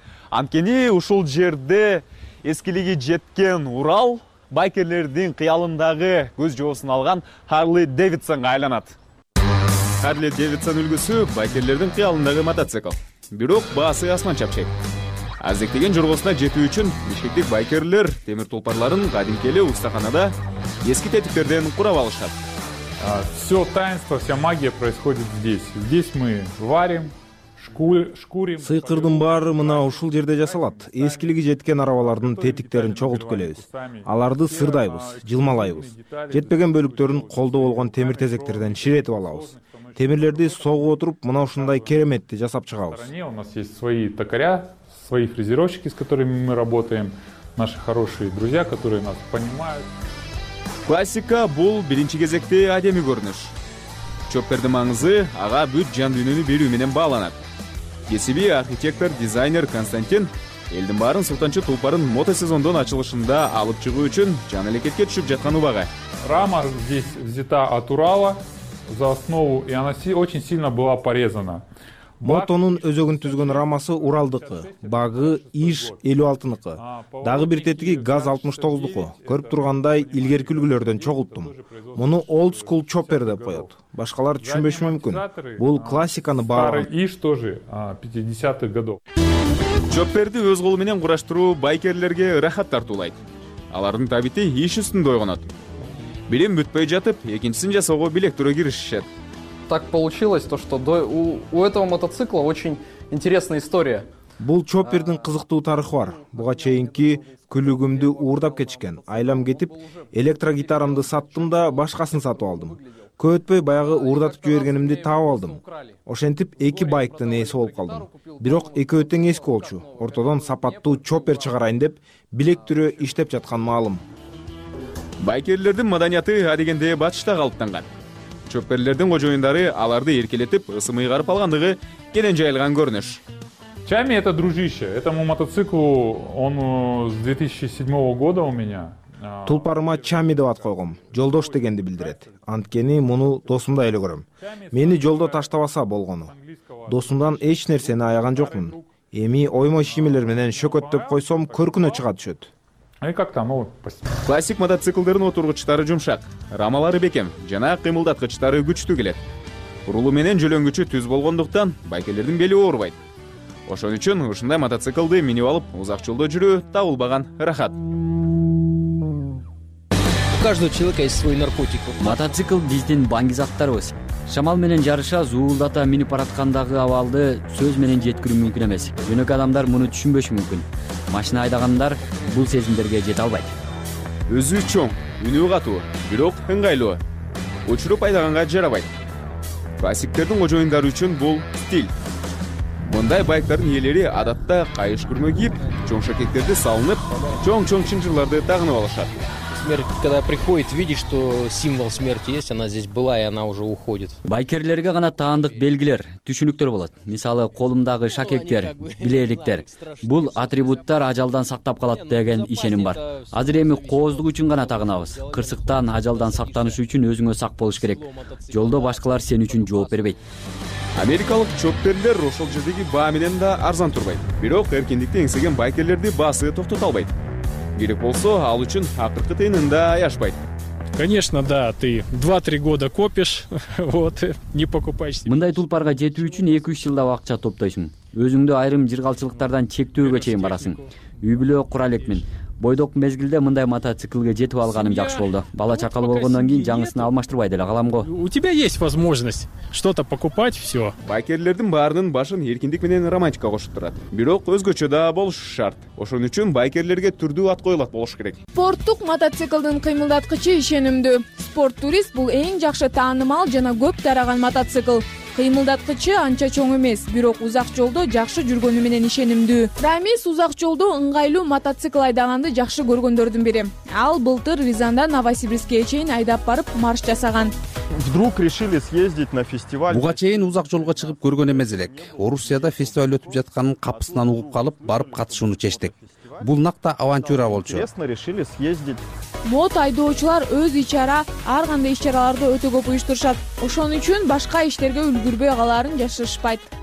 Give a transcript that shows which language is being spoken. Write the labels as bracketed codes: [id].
[ky] Анткени ушул жерде эскилиги жеткен Урал байкерлердин кыялындагы көз жоосун алган Harley Davidson'га айланат. Harley Davidson үлгүсү байкерлердин кыялындагы мотоцикл. Бирок баасы асман чапчайт. Азектеген жоргосуна жетүү үчүн бишкектик байкерлер темир тулпарларын кадимки эле устаканада эски тетиктерден курап алышат. [ru] Все таинство, вся магия происходит здесь. Здесь мы варим. [ky] Сыйкырдын баары мына ушул жерде жасалат. Эскилиги жеткен арабалардын тетиктерин чогултуп келебиз. Аларды сырдайбыз, жылмалайбыз. Жетпеген бөлүктөрүн колдо болгон темир тезектерден ширетип алабыз. Темирлерди согуп отуруп мына ушундай кереметти жасап чыгабыз. [ru] У нас есть свои токаря, свои фрезеровщики, с которыми мы работаем, наши хорошие друзья, которые нас понимают. [ky] Классика бул биринчи кезекте адемий көрүнүш. Чоппердин маңызы ага бүт жан дүйнөнү берүү менен бааланат. Кесиби архитектор, дизайнер Константин элдин баарын сыртынчы тулпарын мотосезондун ачылышында алып чыгуу үчүн жан алекетке түшүп жаткан убага. [ru] Рама здесь взята от Урала за основу, и она очень сильно была порезана. [ky] Мотонун өзөгүн түзгөн рамасы Уралдыкы, багы иш 56-ныкы, дагы бир тетиги ГАЗ 69-дуку. Көрүп тургандай илгерки үлгүлөрдөн чогулттум. Муну old school chopper деп коёт. Башкалар түшүнбөшү мүмкүн. Бул классиканы баалайт. [ru] Старый иш тоже 50-х годов. [ky] Чопперди өз колу менен кураштыруу байкерлерге ырахат тартуулайт. Алардын табити иш үстүндө ойгонот. Билим бүтпөй жатып, экинчисин жасоого билектүрө киришишет. [ru] Так получилось то, что у этого мотоцикла очень интересная история. [ky] Бул чоппердин кызыктуу тарыхы бар. Буга чейинки күлүгүмдү уурдап кетишкен. Айлам кетип, электрогитарамды саттым да башкасын сатып алдым. Көөтпөй баягы уурдатып жибергенимди таап алдым. Ошентип эки байктын ээси болуп калдым. Бирок экөө тең эски болчу. Ортодон сапаттуу чоппер чыгарайын деп билектүрө иштеп жаткан маалым. Байкерлердин маданияты адегенде батышта калыптанган. Чопперлердин кожоюндары аларды эркелетип, ысым ыйгарып алгандыгы кенен жайылган көрүнүш. [ru] Чайми — это дружище. Этому мотоциклу он с 2007 года у меня. [ky] Тулпарыма Чами деп койгом, жолдош дегенди билдирет. Анткени муну досумда эле көрөм. Мени жолдо таштабаса болгону. Досумдан эч нерсени аяган жокмун. Эми оймо шимилер менен шөкөттөп койсом көркүнө чыга түшөт. [ru] Эй, как там? [ky] Классик мотоциклдердин отургучтары жумшак, рамалары бекем жана кыймылдаткычтары күчтүү келет. Урулу менен жөлөңгүчү түз болгондуктан байкерлердин бели оорубайт. Ошон үчүн ушундай мотоциклды минип алып узак жолдо жүрүү табылбаган рахат. [ru] У каждого человека есть свой наркотик. [ky] Мотоцикл биздин баңгизаттарыбыз. Шамал менен жарыша зуулдата минип бараткандагы абалды сөз менен жеткирүү мүмкүн эмес. Жөнөк адамдар муну түшүнбөшү мүмкүн. Машина айдагандар бул сезимдерге жете албайт. Өзү чоң, үнү катуу, бирок ыңгайлуу. Учуруп айдаганга жарабайт. Классиктердин кожоюндары үчүн бул стиль. Мындай байктардын ээлери адатта кайыш күрмө кийип, чоң шакеттерди салынып, чоң-чоң чынжырларды тагынып алышат. [ru] Смерть, когда приходит, видит, что символ смерти есть, она здесь была и она уже уходит. [ky] Байкерлерге гана таандык белгилер, түшүнүктөр болот. Мисалы, колумдагы шакектер, билейликтер. Бул атрибуттар ажалдан сактап калат деген ишеним бар. Азыр эми кооздук үчүн гана тагынабыз. Кырсыктан, ажалдан сактанышы үчүн өзүңө сак болуш керек. Жолдо башкалар сен үчүн жооп бербейт. Америкалык чоптерлер ошол жердеги баа менен да арзан турбайт. Бирок эркиндикти эңсеген байкерлерди басы токтото албайт. Керек болсо, ал үчүн акыркы тыйынын да аяшпайт. [ru] Конечно, да, ты 2-3 года копишь, вот, не покупаешь. [ky] Мындай тулпарга жетүү үчүн 2-3 жылдап акча топтойсуң. Өзүңдү айрым жыргалчылыктардан чектөөгө чейин барасың. Үй бүлө куралек мен. Бойдок мезгилде мындай мотоциклге жетип алганым жакшы болду. Бала чакалы болгондон кийин жаңысын алмаштырбай деле калам го. [ru] У тебя есть возможность что-то покупать, все. [ky] Байкерлердин баарынын башын эркиндик менен романтика кошуп турат. Бирок өзгөчө да болушу шарт. Ошон үчүн байкерлерге түрдүү ат коюлат болуш керек. Спорттук мотоциклдин кыймылдаткычы ишенимдүү. Спорт турист бул эң жакшы таанымал жана көп тараган мотоцикл. Кыймылдаткычы анча чоң эмес, бирок узак жолдо жакшы жүргөнү менен ишенимдүү. Рамис узак жолдо ыңгайлуу мотоцикл айдаганды жакшы көргөндөрдүн бири. Ал былтыр Рязандан Новосибирскке чейин айдап барып марш жасаган. [ru] Вдруг решили съездить на фестиваль. [ky] Буга чейин узак жолго чыгып көргөн эмес элек. Орусияда фестиваль өтүп жатканын капысынан угуп калып, барып катышууну чечтик. Бул накта авантюра болчу. [ru] Честно решили съездить. [ky] Мото айдоочулар өз ичара ар кандай иш-чараларды өтө көп уюштурушат. Ошон үчүн башка иштерге үлгүрбөй каларын жашырышпайт.